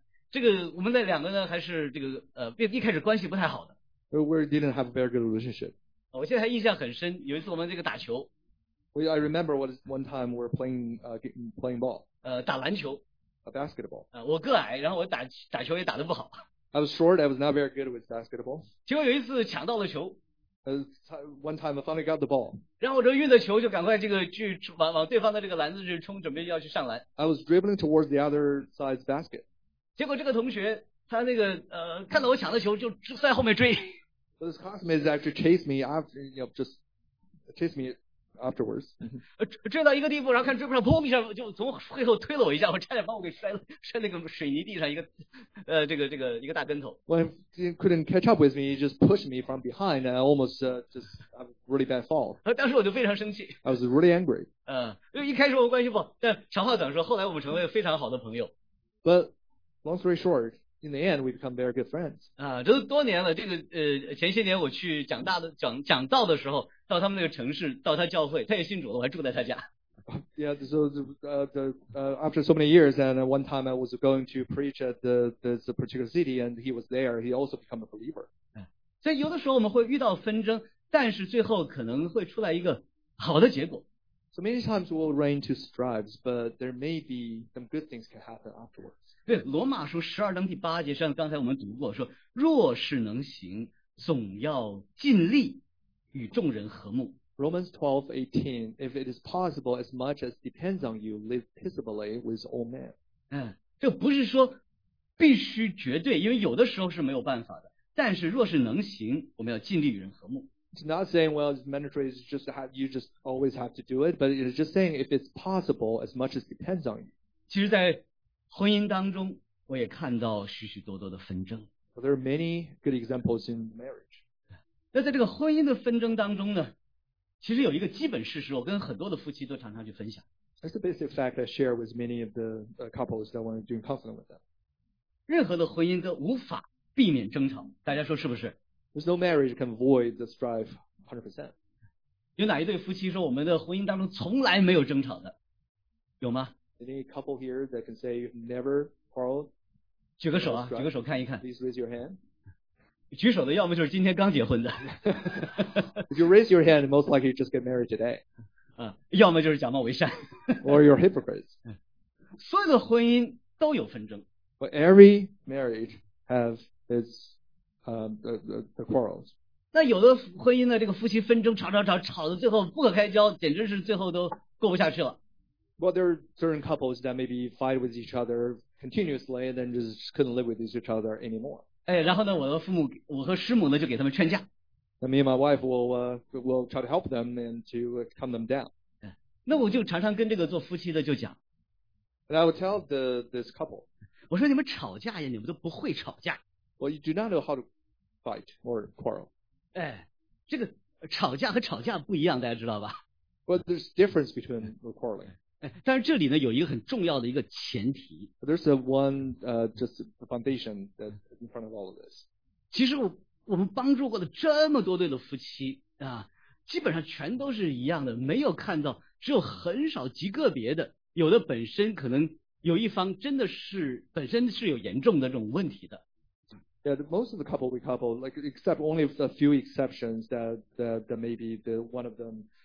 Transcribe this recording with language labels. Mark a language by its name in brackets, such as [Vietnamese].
[Chinese] 这个我们的两个呢还是这个一开始关系不太好的。 [English] We didn't have a very good relationship. [Chinese] 我现在还印象很深，有一次我们这个打球。 [English] I remember one time we were playing ball. [Chinese] 打篮球。 [English] A basketball. [Chinese] 我个矮，然后我打球也打得不好。 [English] I was short, I was not very good with basketball. [Chinese] 结果有一次抢到了球。 [English] One time I finally got the ball. [Chinese] 然后我这运着球就赶快这个去往对方的这个篮子去冲，准备要去上篮。 [English] I was dribbling towards the other side's basket. [Chinese] 结果这个同学他那个看到我抢的球就在后面追。 [English] So this classmate is actually chased me after, you know, just chased me. Afterwards, [Chinese] 追到一个地步，然后看追不上，砰一下就从背后推了我一下，我差点把我给摔那个水泥地上一个这个一个大跟头。 [English] When he couldn't catch up with me, he just pushed me from behind, and I almost just a really bad fall. [Chinese] 当时我就非常生气。 [English] I was really angry. [Chinese] 因为一开始我们关系不好，但长话短说，后来我们成为非常好的朋友。 [English] But long story short, in the end, we become very good friends. [Chinese] 这都多年了，这个前些年我去讲道的时候。到他们那个城市，到他教会，他也信主了，我还住在他家。 [English] Yeah, so after so many years, and one time I was going to preach at the particular city, and he was there. He also became a believer. [Chinese] 所以有的时候我们会遇到纷争，但是最后可能会出来一个好的结果。 [English] So many times we'll run into strives, but there may be some good things can happen afterwards. [Chinese] 对，罗马书十二章第八节，像刚才我们读过，说若是能行，总要尽力。与众人和睦。 [English] Romans 12:18, if it is possible, as much as depends on you, live peaceably with all men. [Chinese] 这不是说必须绝对，因为有的时候是没有办法的。但是若是能行，我们要尽力与人和睦。 [English] It's not saying, well, it's mandatory, it's just you just always have to do it, but it's just saying if it's possible, as much as depends on you. [Chinese] 其实在婚姻当中，我也看到许许多多的纷争。 [English] So there are many good examples in marriage. [Chinese] 那在这个婚姻的纷争当中呢，其实有一个基本事实，我跟很多的夫妻都常常去分享。 [English] That's the basic fact I share with many of the couples that want to do counseling with them. [Chinese] 任何的婚姻都无法避免争吵，大家说是不是 [English] ？There's no marriage can avoid the strife 100%. [Chinese] 有哪一对夫妻说我们的婚姻当中从来没有争吵的？有吗 [English] ？Any couple here that can say you've never quarreled? [Chinese] 举个手啊，举个手看一看。 [English] Please raise your hand. [Chinese] 举手的要么就是今天刚结婚的。 [English] If you raise your hand, most likely you just get married today. [Chinese] 要么就是假冒为善。 [English] Or you're hypocrites. [Chinese] 所有的婚姻都有纷争。 [English] But every marriage has its the quarrels. [Chinese] 那有的婚姻呢，这个夫妻纷争吵到最后不可开交，简直是最后都过不下去了。 [English] Well, there are certain couples that maybe fight with each other continuously and then just couldn't live with each other anymore. [Chinese] 然后呢，我的父母，我和师母呢，就给他们劝架。 [English] Me and my wife will try to help them and to calm them down. [Chinese] 那我就常常跟这个做夫妻的就讲。 [English] And I would tell this couple. [Chinese] 我说你们吵架呀，你们都不会吵架。 [English] Well, you do not know how to fight or quarrel. [Chinese] 这个吵架和吵架不一样，大家知道吧 [English] ？But there's difference between quarreling. [Chinese] 但是这里呢有一个很重要的一个前提。 [English] There's just the foundation that's in front of all of this. [Chinese] 其实我们帮助过的这么多对的夫妻啊，基本上全都是一样的，没有看到，只有很少极个别的，有的本身可能有一方真的是本身是有严重的这种问题的。 [English] Yeah, most of the couple we couple, like except only a few exceptions that maybe the one of them.